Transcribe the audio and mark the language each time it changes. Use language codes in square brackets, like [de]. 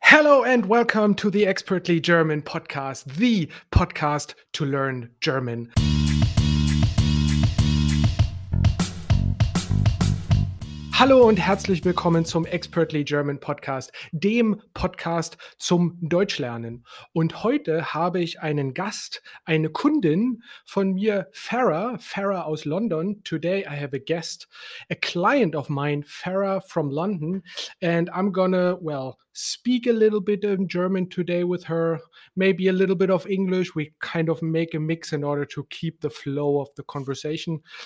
[en] Hello and welcome to the Expertly German podcast, the podcast to learn German. [de] Hallo und herzlich willkommen zum Expertly German Podcast, dem Podcast zum Deutschlernen. Und heute habe ich einen Gast, eine Kundin von mir, Farah aus London. [en] Today I have a guest, a client of mine, Farah from London. And I'm gonna, well, speak a little bit in German today with her, maybe a little bit of English. We kind of make a mix in order to keep the flow of the conversation.